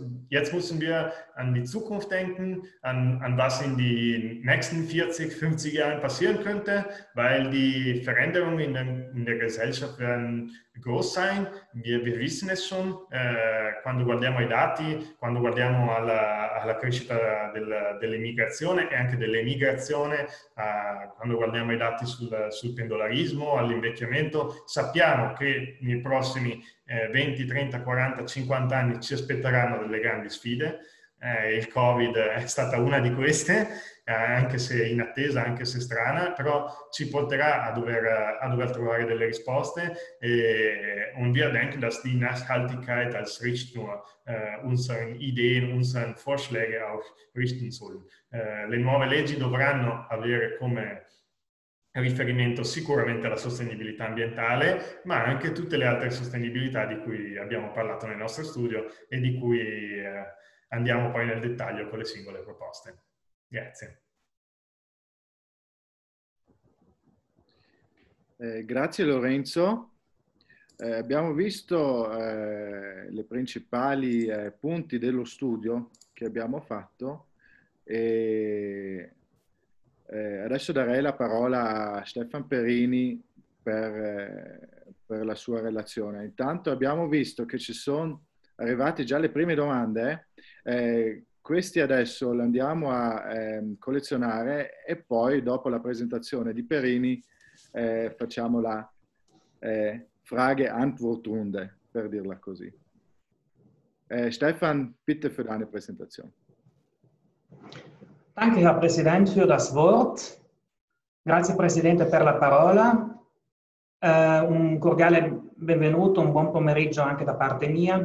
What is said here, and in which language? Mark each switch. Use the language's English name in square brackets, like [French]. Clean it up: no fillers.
[German] Jetzt müssen wir an die Zukunft denken, an was in die nächsten 40, 50 Jahren passieren könnte, weil die Veränderungen in der Gesellschaft werden groß sein. Wir wissen es schon, [Italian] quando guardiamo i dati, quando guardiamo alla crescita dell'immigrazione e anche dell'emigrazione, quando guardiamo i dati sul pendolarismo, all'invecchiamento, sappiamo che nei prossimi 20, 30, 40, 50 anni ci aspetteranno delle grandi sfide. Il Covid è stata una di queste, anche se inattesa, anche se strana, però ci porterà a dover trovare delle risposte. [German] Und wir denken, dass die Nachhaltigkeit als Richtung unseren Ideen, unseren Vorschlägen auch richten soll. [Italian] Le nuove leggi dovranno avere come riferimento sicuramente alla sostenibilità ambientale, ma anche tutte le altre sostenibilità di cui abbiamo parlato nel nostro studio e di cui andiamo poi nel dettaglio con le singole proposte. Grazie. Grazie Lorenzo. Abbiamo visto le principali punti dello studio che abbiamo fatto e adesso darei la parola a Stefan Perini per la sua relazione. Intanto abbiamo visto che ci sono arrivate già le prime domande, questi adesso li andiamo a collezionare e poi dopo la presentazione di Perini facciamo la [German] Frage-Antwort-Runde, [Italian] per dirla così. [German] Stefan, bitte für deine Präsentation. Danke, Herr Präsident, für das Wort. [Italian] Grazie, Presidente, per la parola. Un cordiale benvenuto, un buon pomeriggio anche da parte mia.